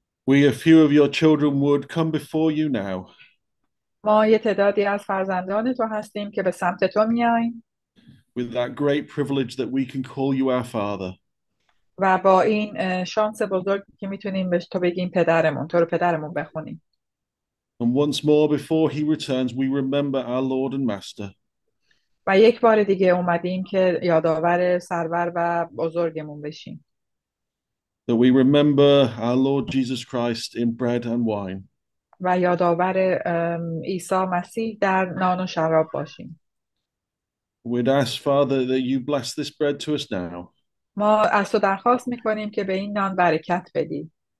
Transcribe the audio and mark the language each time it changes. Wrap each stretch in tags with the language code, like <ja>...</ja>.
<en>we a few of your children would come before you now.</en> <fa>ما یه تعدادی از فرزندان تو هستیم که به سمت تو میاییم.</fa> <en>With that great privilege that we can call you our father.</en> <fa>و با این شانس بزرگ که میتونیم به تو بگیم پدرمون, تو رو پدرمون بخونیم.</fa> <en>And once more before he returns, we remember our Lord and Master.</en> <fa>و یک بار دیگه اومدیم که یادآور سرور و بزرگمون بشیم.</fa> <en>That we remember our Lord Jesus Christ in bread and wine.</en> <fa>و یادآور عیسی مسیح در نان و شراب باشیم.</fa> <en>We'd ask Father that you bless this bread to us now.</en> <fa>ما از تو درخواست می‌کنیم که به این نان برکت بدی.</fa>